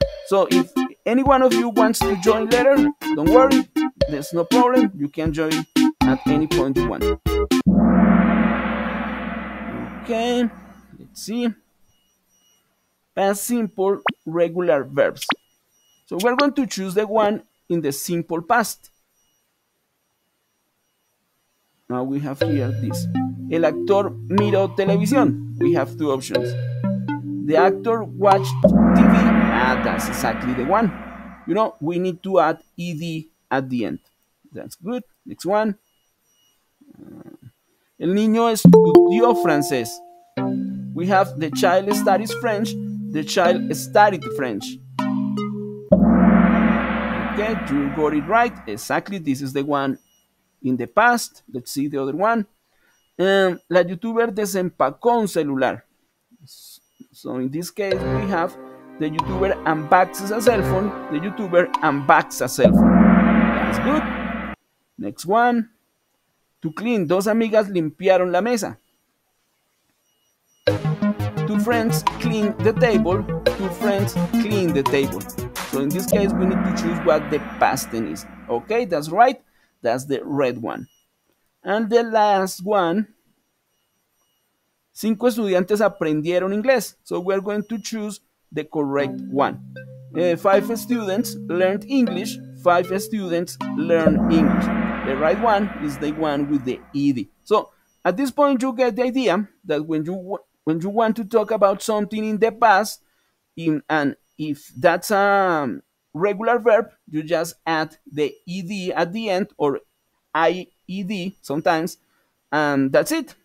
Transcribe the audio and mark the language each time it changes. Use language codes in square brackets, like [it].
[en] So if any one of you wants to join later, don't worry, there's no problem, you can join at any point you want. Okay, let's see. Past simple regular verbs. So we're going to choose the one in the simple past. Now we have here this. [es] El actor miró televisión. [en] We have two options. The actor watched TV. Ah, that's exactly the one. You know, we need to add ED at the end. That's good. Next one. [es] El niño estudió francés. [en] We have the child studies French. The child studied French. Okay, you got it right. Exactly. This is the one in the past. Let's see the other one. [es] La YouTuber desempacó un celular. [en] So in this case, we have the YouTuber unboxes a cell phone. The YouTuber unboxes a cell phone. That's good. Next one. To clean, [es] dos amigas limpiaron la mesa. [en] Two friends clean the table. Two friends clean the table. So in this case, we need to choose what the past tense is. Okay, that's right. That's the red one. And the last one. [es] Cinco estudiantes aprendieron inglés. [en] So we're going to choose the correct one. Five students learned English. Five students learned English. The right one is the one with the ED. So at this point, you get the idea that when you want to talk about something in the past, and if that's a regular verb, you just add the ED at the end, or IED sometimes, and that's it.